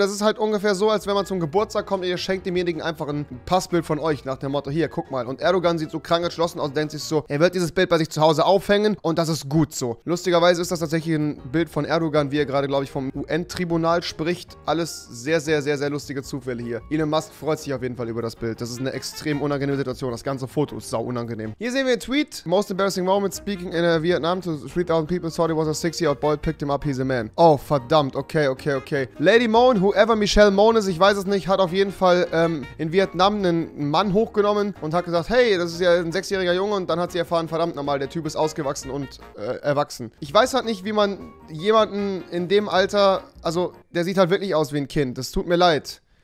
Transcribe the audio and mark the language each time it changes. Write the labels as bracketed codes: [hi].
[de] Das ist halt ungefähr so, als wenn man zum Geburtstag kommt und ihr schenkt demjenigen einfach ein Passbild von euch nach dem Motto, hier, guck mal. Und Erdogan sieht so krank entschlossen aus und denkt sich so, er wird dieses Bild bei sich zu Hause aufhängen und das ist gut so. Lustigerweise ist das tatsächlich ein Bild von Erdogan, wie er gerade, glaube ich, vom UN-Tribunal spricht. Alles sehr, sehr, sehr, sehr lustige Zufälle hier. Elon Musk freut sich auf jeden Fall über das Bild. Das ist eine extrem unangenehme Situation. Das ganze Foto ist sau unangenehm. Hier sehen wir einen Tweet. [en] Most embarrassing moment speaking in Vietnam to 3000 people. Thought he was a 6-year-old boy. Picked him up, he's a man. Oh, fuck. [de] Verdammt, okay. Lady Moan, whoever Michelle Moan ist, ich weiß es nicht, hat auf jeden Fall in Vietnam einen Mann hochgenommen und hat gesagt, hey, das ist ja ein 6-jähriger Junge und dann hat sie erfahren, verdammt nochmal, der Typ ist ausgewachsen und erwachsen. Ich weiß halt nicht, wie man jemanden in dem Alter, also der sieht halt wirklich aus wie ein Kind, das tut mir leid.